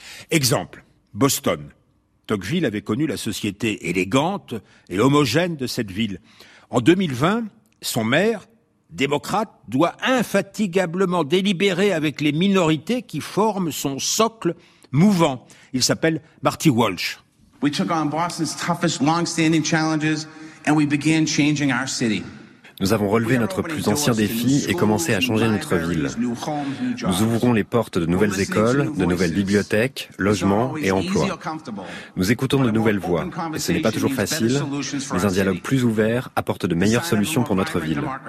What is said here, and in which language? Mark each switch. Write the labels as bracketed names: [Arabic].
[French] Exemple, Boston. Tocqueville avait connu la société élégante et homogène de cette ville. En 2020, son maire, démocrate, doit infatigablement délibérer avec les minorités qui forment son socle mouvant. Il s'appelle Marty Walsh. [English] We took on Boston's toughest long-standing challenges and we began changing our city. [French] Nous avons relevé notre plus ancien défi et commencé à changer notre ville. Nous ouvrons les portes de nouvelles écoles, de nouvelles bibliothèques, logements et emplois. Nous écoutons de nouvelles voix, et ce n'est pas toujours facile, mais un dialogue plus ouvert apporte de meilleures solutions pour notre ville.